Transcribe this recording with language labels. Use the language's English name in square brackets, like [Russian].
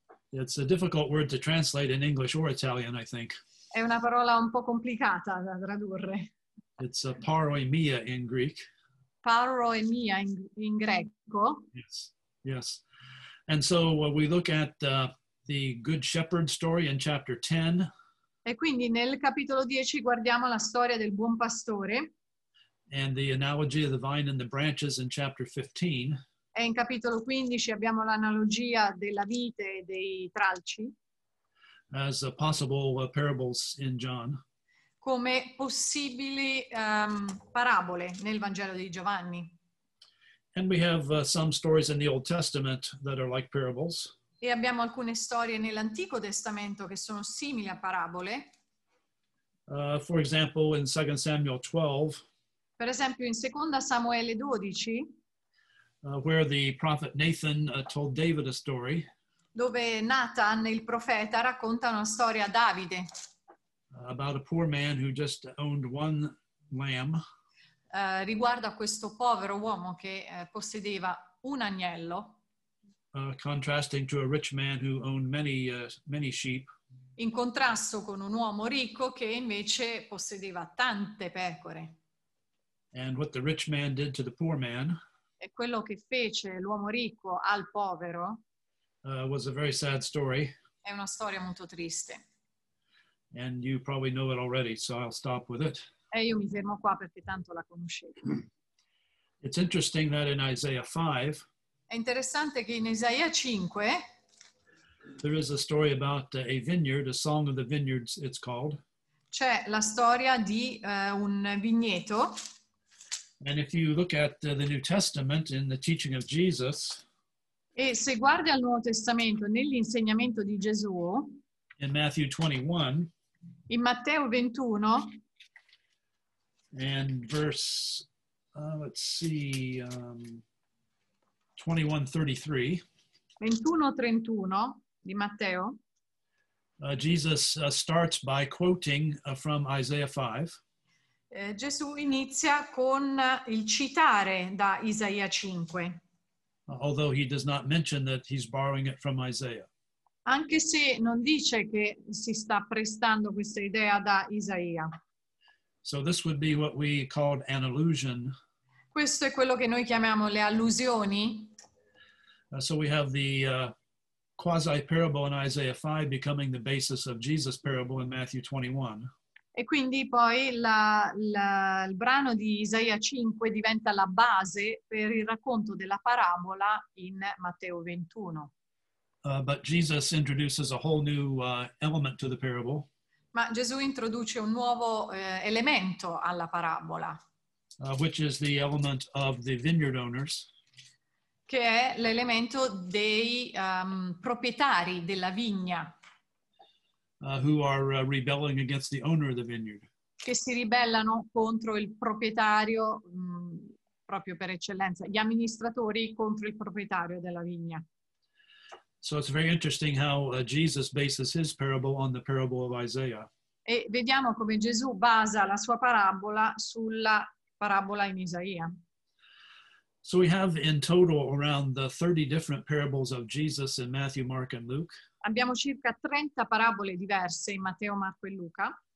[English] It's a difficult word to translate in English or Italian, I think. [Italian] È una parola un po' complicata da tradurre. [English] It's a paroimia in Greek. [Italian] Paroimia in greco. [English] Yes, yes. And so we look at the Good Shepherd story in chapter 10. [Italian] E quindi nel capitolo 10 guardiamo la storia del buon pastore. [English] And the analogy of the vine and the branches in chapter 15. [Italian] E in capitolo 15 abbiamo l'analogia della vite e dei tralci. [English] As possible parables in John. [Italian] Come possibili parabole nel Vangelo di Giovanni. [English] And we have some stories in the Old Testament that are like parables. [Italian] E abbiamo alcune storie nell'Antico Testamento che sono simili a parabole. [English] For example, in 2 Samuel 12. [Italian] Per esempio, in 2 Samuele 12. [English] Where the prophet Nathan told David a story. [Italian] Dove Nathan, il profeta, racconta una storia a Davide. [English] About a poor man who just owned one lamb. [Italian] Riguardo a questo povero uomo che possedeva un agnello. [English] Contrasting to a rich man who owned many sheep. [Italian] In contrasto con un uomo ricco che invece possedeva tante pecore. [English] And what the rich man did to the poor man. [Italian] E quello che fece l'uomo ricco al povero. [English] Was a very sad story. [Italian] È una storia molto triste. [English] And you probably know it already, so I'll stop with it. [Italian] E io mi fermo qua perché tanto la conoscete. [English] It's interesting that in Isaiah 5. [Italian] È interessante che in Isaia 5. [English] There is a story about a vineyard, a song of the vineyards, it's called. [Italian] C'è la storia di un vigneto. [English] And if you look at the New Testament in the teaching of Jesus. [Italian] E se guardi al Nuovo Testamento nell'insegnamento di Gesù. [English] In Matthew 21. [Italian] In Matteo 21. [English] And verse, 21:33. [Italian] 21:31 di Matteo. [English] Jesus starts by quoting from Isaiah 5. [Italian] Gesù inizia con il citare da Isaia 5. [English] Although he does not mention that he's borrowing it from Isaiah. [Italian] Anche se non dice che si sta prestando questa idea da Isaia. [English] So this would be what we called an allusion. [Italian] Questo è quello che noi chiamiamo le allusioni. [English] So we have the quasi parable in Isaiah 5 becoming the basis of Jesus' parable in Matthew 21. [Italian] E quindi poi il brano di Isaia 5 diventa la base per il racconto della parabola in Matteo 21. [English] But Jesus introduces a whole new element to the parable. [Italian] Ma Gesù introduce un nuovo elemento alla parabola. [English] Which is the element of the vineyard owners. [Italian] Che è l'elemento dei proprietari della vigna. [English] Who are rebelling against the owner of the vineyard. [Italian] Che si ribellano contro il proprietario, proprio per eccellenza, gli amministratori contro il proprietario della vigna. [English] So it's very interesting how Jesus bases his parable on the parable of Isaiah. [Italian] E vediamo come Gesù basa la sua parabola sulla parabola in Isaia. [English] So we have in total around the 30 different parables of Jesus in Matthew, Mark and Luke. [Italian] Abbiamo circa 30 parabole diverse in Matteo, Marco e Luca.